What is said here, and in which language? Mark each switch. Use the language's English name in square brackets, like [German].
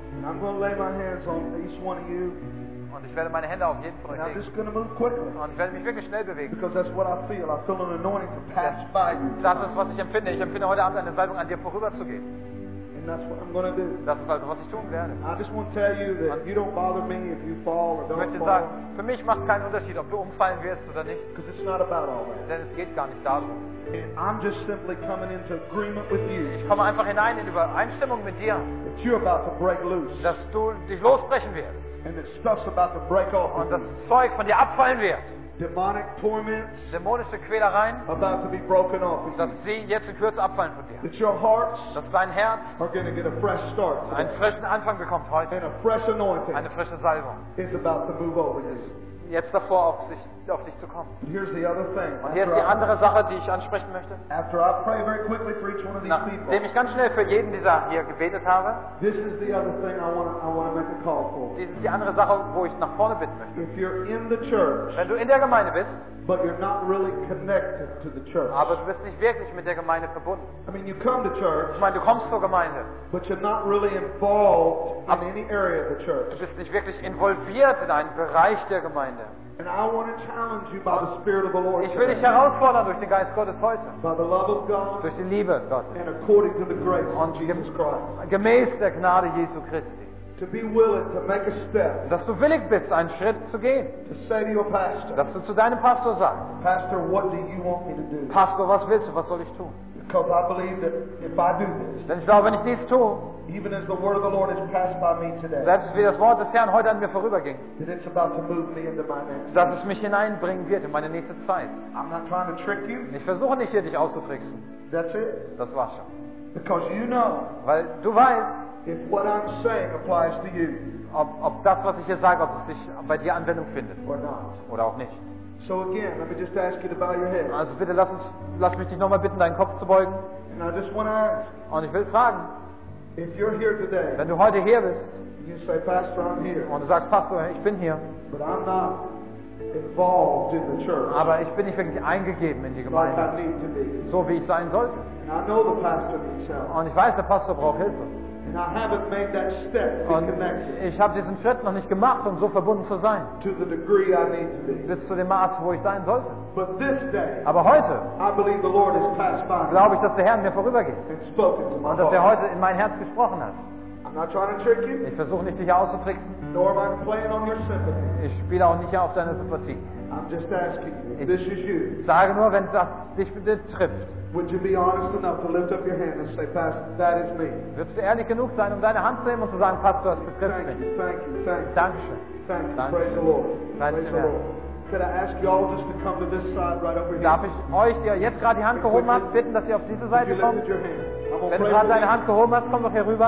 [English] And I'm going to lay my hands on each one of you. [German] Und ich werde meine Hände auf jeden Fall legen. Und ich werde mich wirklich schnell bewegen. [English] Because that's what I feel. I feel an anointing to pass by. [German] Das ist, was ich empfinde. Ich empfinde heute Abend eine Salbung, an dir vorüberzugehen. [English] And that's what I'm going to do. [German] Das ist also, was ich tun werde. [English] I just want to tell you that you don't bother me if you fall or don't fall. [German] Sagen, für mich macht es keinen Unterschied, ob du umfallen wirst oder nicht. [English] Because it's not about all that. [German] Denn es geht gar nicht darum. [English] I'm just simply coming into agreement with you. [German] Ich komme einfach hinein in Übereinstimmung mit dir. [English] That you're about to break loose. [German] Dass du dich losbrechen wirst. [English] And that stuff's about to break off. [German] Und das Zeug von dir abfallen wird. [English] Demonic torments. [German] Dämonische Quälereien. [English] About to be broken off. [German] Dass sie jetzt in Kürze abfallen von dir. [English] That your hearts. [German] Dass dein Herz. [English] Are going to get a fresh start. Today. [German] Einen frischen Anfang bekommt heute. [English] And a fresh anointing. [German] Eine frische Salbung. [English] Is about to move over you. [German] Jetzt davor auf sich, auf dich zu kommen. [English] And here's the other thing. [German] Und hier ist die andere Sache, die ich ansprechen möchte. [English] After I pray very quickly for each one of these people. [German] Nachdem ich ganz schnell für jeden dieser hier gebetet habe. [English] This is the other thing I want to make a call for. [German] Dies ist die andere Sache, wo ich nach vorne bitten möchte. [English] If you're in the church. [German] Wenn du in der Gemeinde bist. [English] But you're not really connected to the church. [German] Aber du bist nicht wirklich mit der Gemeinde verbunden. [English] I mean, you come to church. [German] Ich meine, du kommst zur Gemeinde. [English] But you're not really involved in any area of the church. [German] Du bist nicht wirklich involviert in einen Bereich der Gemeinde. [English] And I want to challenge you by the Spirit of the Lord. [German] Ich will dich herausfordern durch den Geist Gottes heute. [English] By the love of God. [German] Durch die Liebe Gottes. [English] And according to the grace of Jesus Christ. [German] Gemäß der Gnade Jesu Christi. [English] To be willing to make a step. [German] Dass du willig bist, einen Schritt zu gehen. [English] To say to your pastor. [German] Dass du zu deinem Pastor sagst. [English] Pastor, what do you want me to do? [German] Pastor, was willst du? Was soll ich tun? [English] Because I believe that if I do this. [German] Denn ich glaube, wenn ich dies tue. [English] Even as the word of the Lord has passed by me today. [German] Selbst wie das Wort des Herrn heute an mir vorüberging. [English] That it's about to move me into my next. [German] Dass es mich hineinbringen wird in meine nächste Zeit. [English] I'm not trying to trick you. [German] Ich versuche nicht hier dich auszutricksen. [English] That's it. [German] Das war's schon. [English] Because you know. [German] Weil du weißt. [English] If what I'm saying applies to you. [German] Ob das, was ich hier sage, ob es sich bei dir Anwendung findet. [English] Or not. [German] Oder auch nicht. [English] So again, let me just ask you to bow your head. [German] Also bitte lass mich dich nochmal bitten, deinen Kopf zu beugen. [English] And I just want to ask. [German] Und ich will fragen. [English] If you're here today, [German] wenn du heute hier bist, [English] you say, Pastor, I'm here. [German] Und du sagst, Pastor, ich bin hier. [English] But I'm not involved in the church. [German] Aber ich bin nicht wirklich eingegeben in die Gemeinde. [English] Like I need to be. [German] So wie ich sein sollte. [English] And I know the pastor needs help. [German] Und ich weiß, der Pastor braucht Hilfe. [English] And I haven't made that step to be connected. [German] Ich habe diesen Schritt noch nicht gemacht, um so verbunden zu sein. [English] To the degree I need to be. [German] Bis zu dem Maß, wo ich sein sollte. [English] But this day, [German] aber heute, [English] I believe the Lord has passed by. [German] Glaube ich, dass der Herr mir vorübergeht. [English] And spoken to my heart. [German] Und dass er heute in mein Herz gesprochen hat. [English] I'm not trying to trick you. [German] Ich versuche nicht, dich auszutricksen. [English] Nor am I playing on your sympathy. [German] Ich spiele auch nicht auf deine Sympathie. [English] I'm just asking you, if this is you. [German] Sage nur, wenn das dich betrifft. [English] Would you be honest enough to lift up your hand and say, Pastor, that is me? [German] Würdest du ehrlich genug sein, deine Hand zu nehmen und zu sagen, Pastor, das betrifft mich? [English] Thank you, thank you, thank you. [German] Dankeschön. [English] Thank you. [German] Dankeschön. [English] Praise the Lord. Praise the Lord. Could I ask you all just to come to this side right over here? [German] Darf ich euch, die jetzt gerade die Hand gehoben habt, bitten, dass ihr auf diese Seite kommt? Wenn du gerade deine Hand gehoben hast, komm doch hier rüber.